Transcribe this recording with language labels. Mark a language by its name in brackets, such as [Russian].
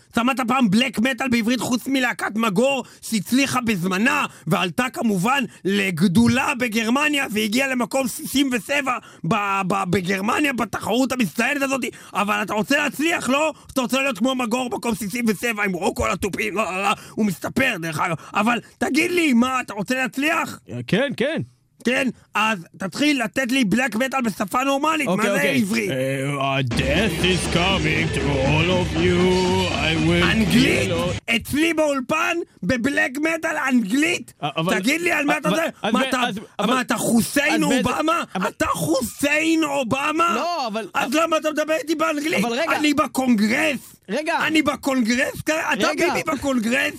[Hebrew] שמעת פעם בלק מטל בעברית חוץ מלהקת מגור שהצליחה בזמנה ועלתה כמובן לגדולה בגרמניה והגיעה למקום 67 בגרמניה בתחרות המצטיינת הזאת, אבל אתה רוצה להצליח, לא? אתה רוצה להיות כמו מגור במקום 67 עם רוקו על הטופים, לא, לא, לא, הוא מסתפר דרך אגב, אבל תגיד לי, מה, אתה רוצה להצליח? כן, כן. כן, אז תתחיל לתת לי בלק מטל בשפה נורמלית, מה זה עברי? [English] Death is coming to all of you, I will... [Hebrew] אנגלית? אצלי באולפן, בבלק מטל אנגלית? תגיד לי על מה אתה זה? מה, אתה חוסיין אובמה? אתה חוסיין אובמה? לא, אבל... אז למה אתה מדבר איתי באנגלית? אבל רגע... אני בקונגרס! רגע! אני בקונגרס? אתה ביבי בקונגרס?